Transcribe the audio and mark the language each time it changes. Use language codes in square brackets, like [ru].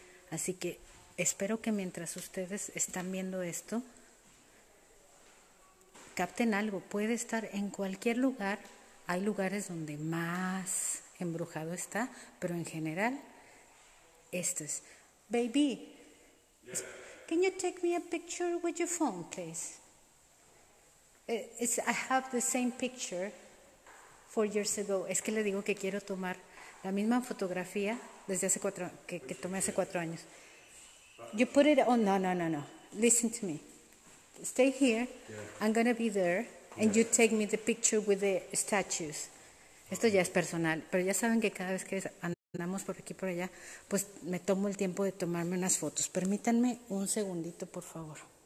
[es] Así que espero que mientras ustedes están viendo esto, capten algo. Puede estar en cualquier lugar Hay lugares donde más embrujado está, pero en general, esto es. [en] Baby, yes. Can you take me a picture with your phone, please? I have the same picture 4 years ago. [es] Es que le digo que quiero tomar la misma fotografía desde hace cuatro, que tomé hace 4 años. [en] You put it, oh, no. Listen to me. Stay here. Yeah. I'm going to be there. And you take me the picture with the statues. [es] Esto ya es personal, pero ya saben que cada vez que andamos por aquí por allá, pues me tomo el tiempo de tomarme unas fotos. Permítanme un segundito, por favor.